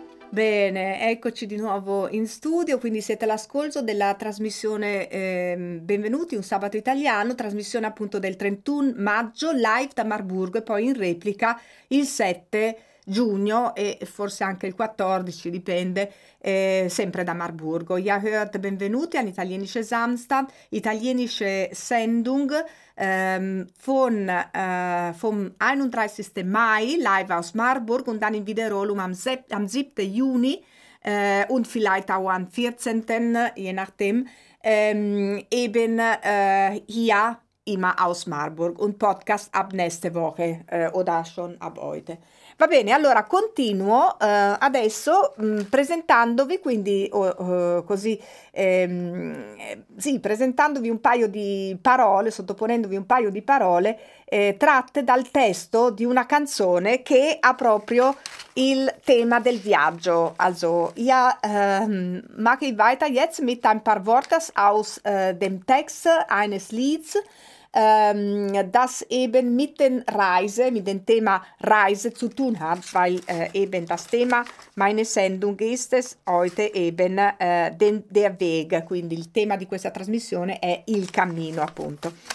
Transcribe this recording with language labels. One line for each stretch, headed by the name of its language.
Italian: Bene, eccoci di nuovo in studio, quindi siete all'ascolto della trasmissione Benvenuti, un sabato italiano, trasmissione appunto del 31 maggio, live da Marburgo e poi in replica il 7 giugno e forse anche il 14, dipende, sempre da Marburgo.
German: Ja, hört, benvenuti an italienische Samstag, italienische Sendung vom 31. Mai live aus Marburg und dann in Wiederholung am 7. Juni und vielleicht auch am 14., je nachdem, eben hier immer aus Marburg und Podcast ab nächste Woche oder schon ab heute.
Italian: Va bene, allora continuo adesso presentandovi quindi presentandovi un paio di parole, sottoponendovi un paio di parole tratte dal testo di una canzone che ha proprio il tema del viaggio.
German: Also, ja, mache ich weiter jetzt mit ein paar Worten aus dem Text eines Lieds, das eben mit dem Thema Reise zu tun hat, weil eben das Thema meiner Sendung ist es heute eben der Weg,
Italian: quindi il tema di questa trasmissione è il cammino, appunto.